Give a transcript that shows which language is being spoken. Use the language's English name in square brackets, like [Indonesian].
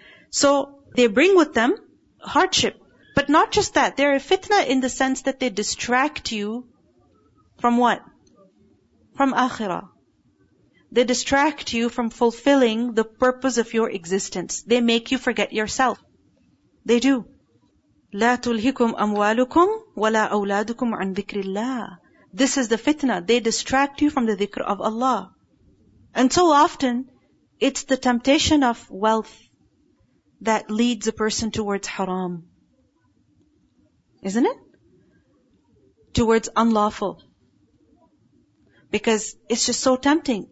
[English] So they bring with them hardship. But not just that. They're a fitna in the sense that they distract you from what? From akhirah. They distract you from fulfilling the purpose of your existence. They make you forget yourself. They do. [Arabic] لا تلهكم أموالكم ولا أولادكم عن ذكر الله. [English] This is the fitna. They distract you from the dhikr of Allah. And so often, it's the temptation of wealth that leads a person towards haram. Isn't it? Towards unlawful. Because it's just so tempting.